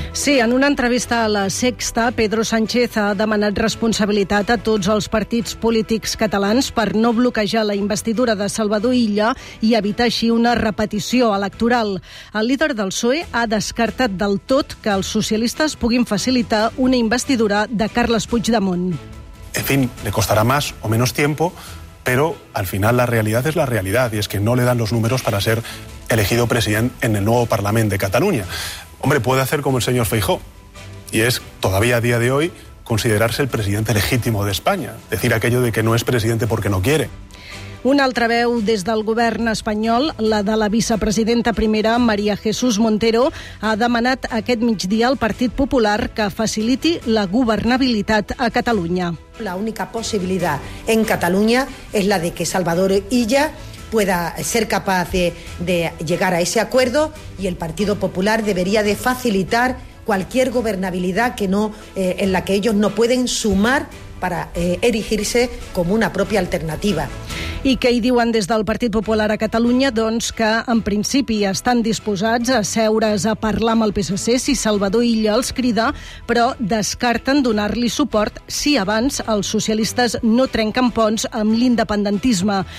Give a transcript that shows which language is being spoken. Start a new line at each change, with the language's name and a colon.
Catalan: Sí, en una entrevista a La Sexta, Pedro Sánchez ha demanat responsabilitat a tots els partits polítics catalans per no bloquejar la investidura de Salvador Illa i evitar així una repetició electoral. El líder del PSOE ha descartat del tot que els socialistes puguin facilitar una investidura de Carles Puigdemont.
Spanish: En fin, le costará más o menos tiempo, pero al final la realidad es la realidad y es que no le dan los números para ser elegido presidente en el nuevo Parlament de Cataluña. Hombre, puede hacer como el señor Feijó y es todavía a día de hoy considerarse el presidente legítimo de España, decir aquello de que no es presidente porque no quiere.
Catalan: Una altra veu des del govern espanyol, la de la vicepresidenta primera, María Jesús Montero, ha demanat aquest migdia al Partit Popular que faciliti la governabilitat a Catalunya.
Spanish: La única possibilitat en Catalunya és la de que Salvador Illa pueda ser capaç de llegar a ese acuerdo y el Partido Popular debería de facilitar cualquier governabilitat que no en la que ellos no pueden sumar para erigirse como una propia alternativa.
Catalan: I què hi diuen des del Partit Popular a Catalunya? Doncs que, en principi, estan disposats a seure's a parlar amb el PSC si Salvador Illa els crida, però descarten donar-li suport si abans els socialistes no trenquen ponts amb l'independentisme.